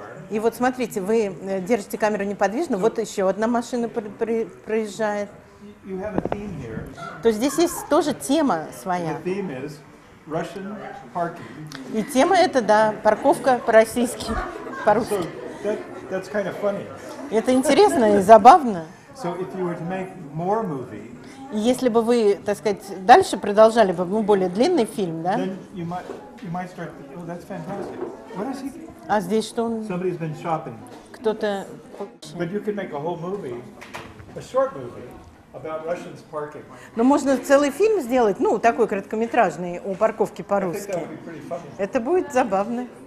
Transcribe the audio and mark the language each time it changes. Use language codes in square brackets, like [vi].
[ru] И вот смотрите, вы держите камеру неподвижно, вот еще одна машина проезжает. [en] You have a theme here. [ru] То здесь есть тоже тема своя. [en] The theme is Russian parking. [ru] И тема это, да, парковка по-российски, по-русски. [en] So that's kind of funny. [ru] Это интересно и забавно. [en] So if you were to make more movie, [ru] и если бы вы, так сказать, дальше продолжали бы, ну, более длинный фильм, да? [en] Then you might start. Oh, that's fantastic. What is he? [ru] А здесь что он? [en] Somebody's been shopping. [ru] Кто-то. [en] But you could make a whole movie, a short movie. About Russians parking. [ru] Но можно целый фильм сделать, ну, такой короткометражный, о парковке по-русски. Это будет забавно.